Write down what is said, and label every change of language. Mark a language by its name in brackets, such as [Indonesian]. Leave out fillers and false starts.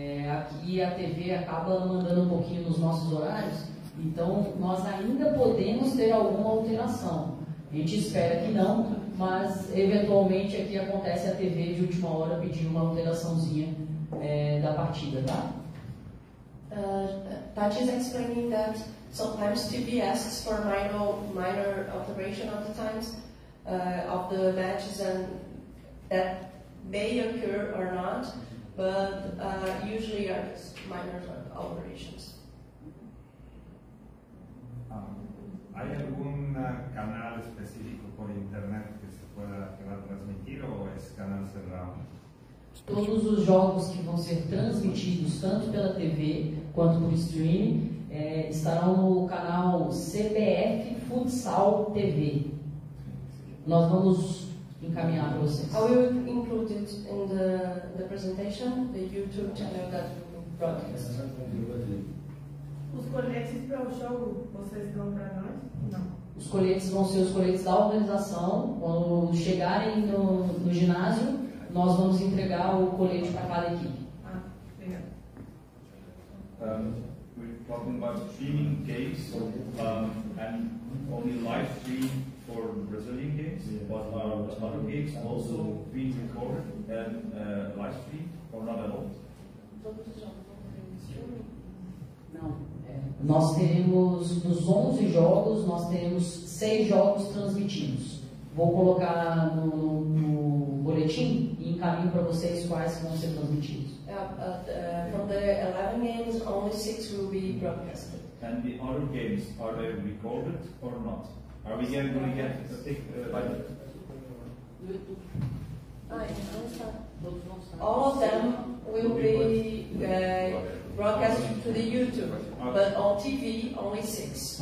[Portuguese] Aqui a TV acaba mandando um pouquinho nos nossos horários, então nós ainda podemos ter alguma alteração. A gente espera que não, mas eventualmente aqui acontece a TV de última hora pedindo uma alteraçãozinha da partida, tá? [English] Pat is explaining that sometimes TV asks for minor alteration of the times of the matches, and that may occur or not, but usually are minor alterations. [Spanish] ¿Hay algún canal específico por internet que se pueda transmitir o es canal cerrado? [Portuguese] Todos os jogos que vão ser transmitidos, tanto pela TV quanto por streaming, estarão no canal CBF Futsal TV. Nós vamos encaminhar para vocês. [English] I will include it in the presentation, the YouTube channel that will broadcast. [Portuguese] Os coletes para o jogo, vocês dão para nós? Não. Os coletes vão ser os coletes da organização, quando chegarem no ginásio, nós vamos entregar o colete para cada equipe. Ah, obrigado. [English] We're talking about streaming games and only live stream for Brazilian games, but other games also being recorded and live stream or not at all? [Portuguese] Não. Nós teremos nos 11 jogos, nós teremos 6 jogos transmitidos. Vou colocar no boletim e encaminho para vocês quais vão ser transmitidos. [English] From the 11 games, only 6 will be broadcasted. And the other games, are they recorded or not? Are we going to get a stick by the... All of them will be broadcasted to the YouTube, but on TV, only 6.